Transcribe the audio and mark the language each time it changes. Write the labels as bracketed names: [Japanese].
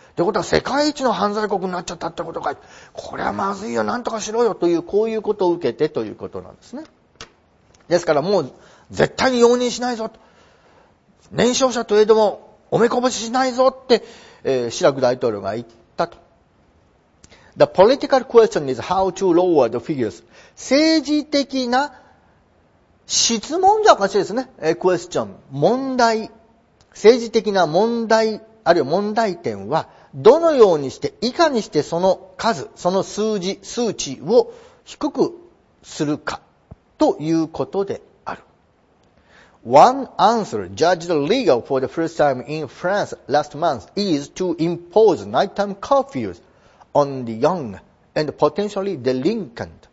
[Japanese] ということは世界一の犯罪国になっちゃったってことかい。これはまずいよ、なんとかしろよという、こういうことを受けてということなんですね。ですからもう絶対に容認しないぞと、年少者といえどもお目こぼししないぞって、シラク大統領が言ったと。 [English] The political question is how to lower the figures. [Japanese] 政治的な質問じゃおかしいですね。 question、問題、政治的な問題、あるいは問題点は、どのようにして、いかにしてその数値を低くするかということである。 [English] One answer judged legal for the first time in France last month is to impose nighttime curfews on the young and potentially delinquent。